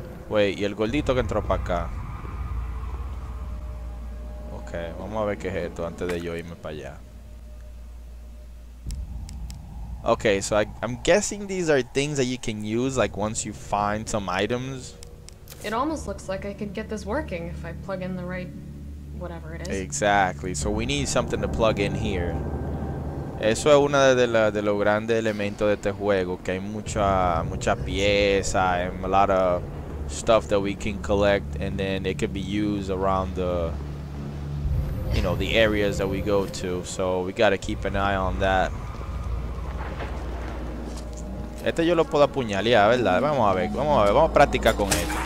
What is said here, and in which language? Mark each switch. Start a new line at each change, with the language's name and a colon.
English: Wait,
Spanish: y el gordito que entró para acá. Okay, vamos a ver qué es esto antes de yo irme para allá.
English: Okay, so I'm guessing these are things that you can use, like, once you find some items. It almost looks like I could get this working if I plug in the right whatever it is. Exactly. So we need something to plug in here.
Spanish: Eso es uno de los grandes elementos de este juego, que hay mucha pieza
English: and a lot of stuff that we can collect, and then it can be used around the, you know, the areas that we go to. So we got to keep an eye on that.
Spanish: Este yo lo puedo apuñalear, ¿verdad? Vamos a ver, vamos a practicar con él.